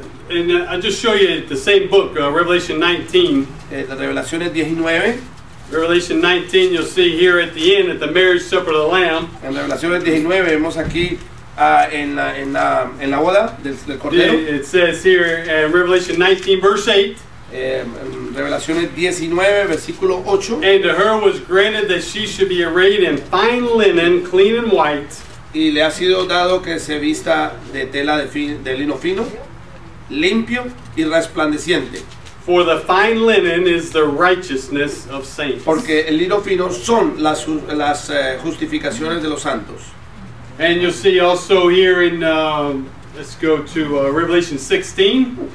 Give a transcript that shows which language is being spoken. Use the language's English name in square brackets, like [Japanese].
[English] And I'll just show you the same book, Revelation 19. [Spanish] La Revelación es 19. [English] Revelation 19, you'll see here at the end, at the marriage supper of the Lamb. [Spanish] En la Revelación 19 vemos aquí en la boda del Cordero. [English] It says here in Revelation 19, verse 8. [Spanish] Revelaciones 19, versículo 8. [English] And to her was granted that she should be arrayed in fine linen, clean and white. [Spanish] Y le ha sido dado que se vista de tela de lino fino, limpio y resplandeciente. [English] For the fine linen is the righteousness of saints. [Spanish] Porque el lino fino son las justificaciones de los santos. [English] And you'll see also here in, let's go to Revelation 16.